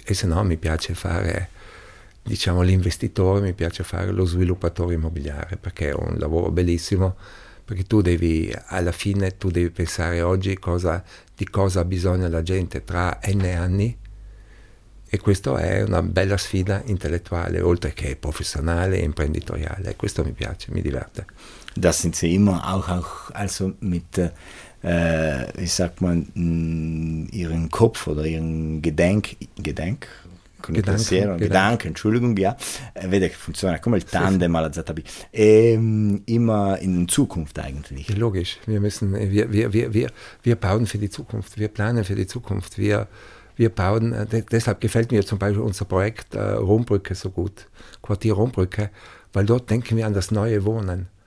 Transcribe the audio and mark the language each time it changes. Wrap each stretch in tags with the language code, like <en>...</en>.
<it>E se no mi piace fare, diciamo, l'investitore, mi piace fare lo sviluppatore immobiliare, perché è un lavoro bellissimo, perché tu devi, alla fine, tu devi pensare oggi di cosa ha bisogno la gente tra N anni, e questa è una bella sfida intellettuale, oltre che professionale e imprenditoriale. Questo mi piace, mi diverte.</it> <de>Das sind Sie immer auch also mit, wie sagt man, Ihren Kopf oder Ihren Gedenk?</de> <it>Con il pensiero,</it> <de>Gedanke, Entschuldigung, ja.</de> <it>Vede che funziona come il tandem, sì, alla ZB.</it> <de>E immer in Zukunft eigentlich. Logisch, wir bauen für die Zukunft, wir planen für die Zukunft, wir bauen, deshalb gefällt mir zum Beispiel unser Projekt Rombrücke so gut, Quartier Rombrücke, weil dort denken wir an das neue Wohnen.</de>